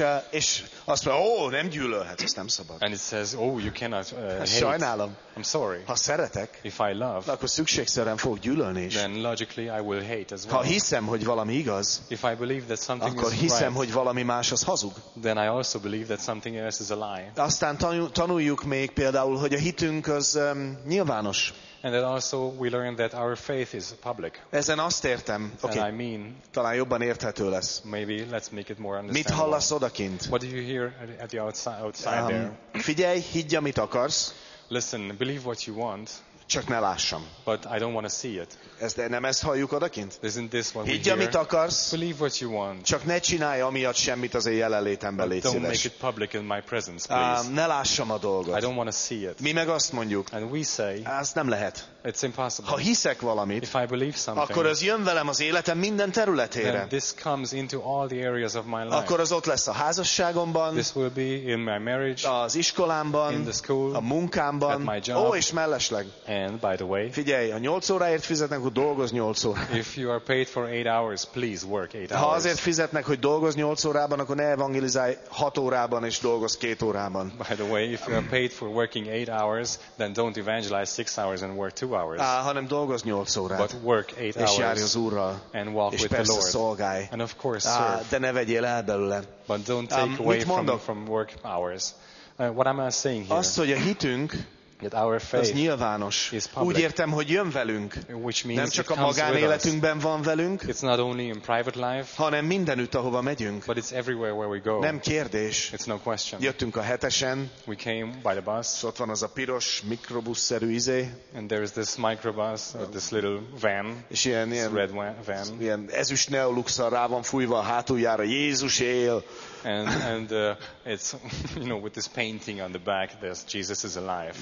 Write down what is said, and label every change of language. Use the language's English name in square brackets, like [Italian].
[Hungarian] És azt mondja, nem gyűlölhet, ezt nem szabad. [English] And it says, you cannot hate. [Hungarian] Sajnálom. [English] I'm sorry. [Hungarian] Ha szeretek, [English] if I love, [Hungarian] akkor szükségszerűen fogok gyűlölni is. [English] Then logically I will hate as well. [Hungarian] Ha hiszem, hogy valami igaz, [English] if I believe that something [Hungarian] akkor [English] is [Hungarian] hiszem, [English] right, [Hungarian] hogy valami más az hazug. [English] Then I also believe that something else is a lie. [Hungarian] Aztán tanuljuk még például, hogy a hitünk az nyilvános. [English] And then also we learn that our faith is public. [Hungarian] Ezen azt értem. Okay. [English] And I mean, [Hungarian] talán jobban érthető lesz. [English] Maybe let's make it more understandable. [Hungarian] Mit hallasz odakint? [English] What do you hear at the outside there? [Hungarian] Figyelj, higgy, amit akarsz. [English] Listen, believe what you want. [Hungarian] Csak ne lássam. [English] But I don't want to see it. [Hungarian] Ez de nem ezt halljuk odakint? [English] Isn't this what [Hungarian] higgy, amit akarsz. [English] Believe what you want. [Hungarian] Csak ne csinálj amiatt semmit az én jelenlétemben, légy szíves. [English] Don't make it public in my presence, please. [Hungarian] Ne lássam a dolgot. [English] I don't want to see it. [Hungarian] Mi meg azt mondjuk. [English] And we say, [Hungarian] ez nem lehet. [English] It's impossible. [Hungarian] Ha hiszek valamit, [English] if I believe something, [Hungarian] akkor az jön velem az életem minden területére. [English] Then this comes into all the areas of my life. [Hungarian] Akkor az ott lesz a házasságomban. [English] This will be in my marriage. [Hungarian] Az iskolámban. [English] In the school. [Hungarian] A munkámban. [English] At my job. [Hungarian] És mellesleg. [English] And by the way, [Hungarian] figyelj, ha 8 óráért fizetnek, akkor dolgozz 8 óra. [English] If you are paid for 8 hours, please work 8 hours. [Hungarian] Ha azért fizetnek, hogy dolgozz 8 órában, akkor ne evangelizálj 6 órában és dolgozz 2 órában. [English] By the way, if you are paid for working 8 hours, then don't evangelize 6 hours and work 2 hours. [Hungarian] Hanem dolgozz 8 órát. [English] But work 8 hours. [Hungarian] És járj az Úrral. [English] And walk [Hungarian] és [English] with the Lord. [Hungarian] És persze szolgálj. [English] And of course serve. [Hungarian] De ne vegyél el belőle. [English] But don't take away from work hours. What am I saying here? [Hungarian] Azt, hogy a hitünk, [English] That our faith [Hungarian] az nyilvános. [English] Is public. [Hungarian] Úgy értem, hogy jön velünk. [English] Which means [Hungarian] nem csak a magánéletünkben van velünk. [English] It's not only in private life. [Hungarian] Hanem mindenütt, ahova megyünk. [English] But it's everywhere where we go. [Hungarian] Nem kérdés. [English] It's no question. [Hungarian] Jöttünk a hetesen. [English] We came by the bus. [Hungarian] És ott van az a piros mikrobusszerű izé. [English] And there is this microbus, this little van. [Hungarian] És ilyen, [English] this red van. [Hungarian] Ilyen ezüst neoluxra rá van fújva a hátuljára. Jézus él. [English] And it's, you know, with this painting on the back, there's Jesus is alive.